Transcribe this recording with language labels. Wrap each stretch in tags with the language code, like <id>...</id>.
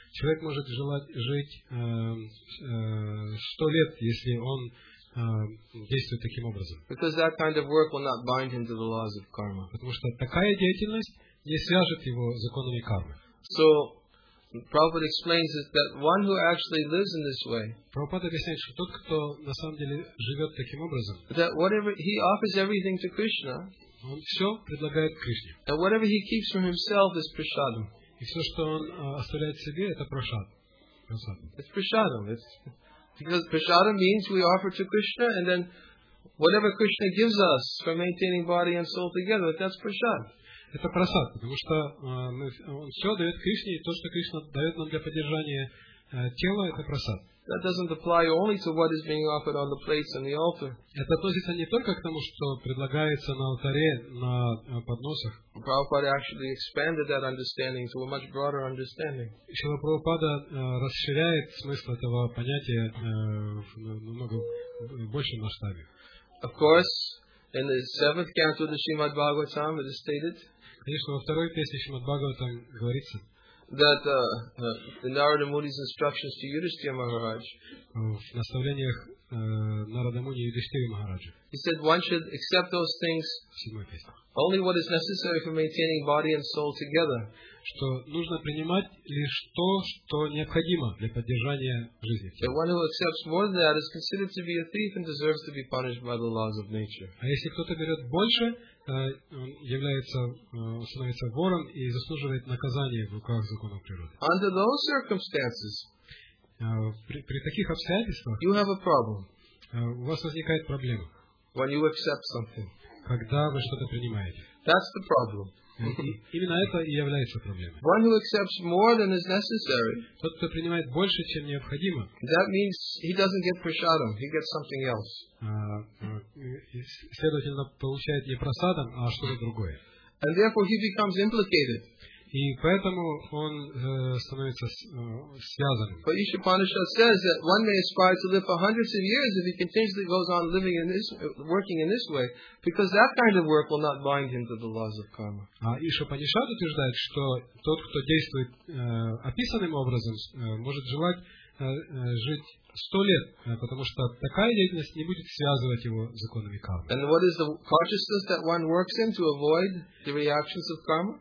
<ru>Человек может желать жить 100 лет, если он действует таким образом.</ru> <en>Because that kind of work will not bind him to the laws of karma.</en> <ru>Потому что такая деятельность не свяжет его с законами кармы.</ru> <en>So, Prabhupada explains that one who actually lives in this way,</en> <ru>Prabhupada объясняет, что тот, кто на самом деле живет таким образом,</ru> <en>that whatever he offers everything to Krishna,</en> <ru>он все предлагает Кришне.</ru> <en>And whatever he keeps from himself is prasadam.</en> <ru>И все, что он оставляет себе, это прасад.</ru> <en>It's prasadam. Because prasadam means we offer to Krishna, and then whatever Krishna gives us for maintaining body and soul together, that's prasad.</en> <ru>Это прасад, потому что он все дает Кришне, и то, что Кришна дает нам для поддержания тела, это прасад.</ru> <en>That doesn't apply only to what is being offered on the plates and the altar.</en> <ru>Это относится не только к тому, что предлагается на алтаре, на подносах.</ru> <en>Prabhupada actually expanded that understanding to a much broader understanding.</en> <ru>Шрила Прабхупада расширяет смысл этого понятия в намного большем масштабе.</ru> <en>Of course, in the seventh canto of the Srimad Bhagavatam, it is stated.</en> <ru>Конечно, во второй песне Шримад Бхагаватам говорится.</ru> <en>That the Narada Muni's instructions to Yudhishthira Maharaj.</en> <ru>В наставлениях Нарада Муни и Юдхиштхира Махараджа.</ru> <en>He said one should accept those things only what is necessary for maintaining body and soul together.</en> <ru>Что нужно принимать лишь то, что необходимо для поддержания жизни.</ru> <en>The one who accepts more than that is considered to be a thief and deserves to be punished by the laws of nature.</en> <ru>А если кто-то берет больше, является становится вором и заслуживает наказания в руках законов природы.</ru> <en>Under those circumstances,</en> <ru>при таких обстоятельствах,</ru> <en>you have a problem.</en> <ru>У вас возникает проблема.</ru> <en>When you accept something,</en> <ru>когда вы что-то принимаете.</ru> <en>That's the problem.</en> <ru>Именно это и является проблемой.</ru> <en>One who accepts more than is necessary,</en> <ru>тот, кто принимает больше, чем необходимо,</ru> <en>that means he doesn't get prasadam, he gets something else.</en> <ru>Следовательно, получает не прасадам, а что-то другое.</ru> <en>And therefore he becomes implicated.</en> <ru>И поэтому он становится связанным.</ru> <en>But Ishapanishad says that one may aspire to live for hundreds of years if he continuously goes on living in this, working in this way, because that kind of work will not bind him to the laws of karma.</en> <ru>А Ишапанишад утверждает, что тот, кто действует описанным образом, может желать жить 100 лет, потому что такая деятельность не будет связывать его с законами кармы.</ru> <en>And what is the consciousness that one works in to avoid the reactions of karma?</en>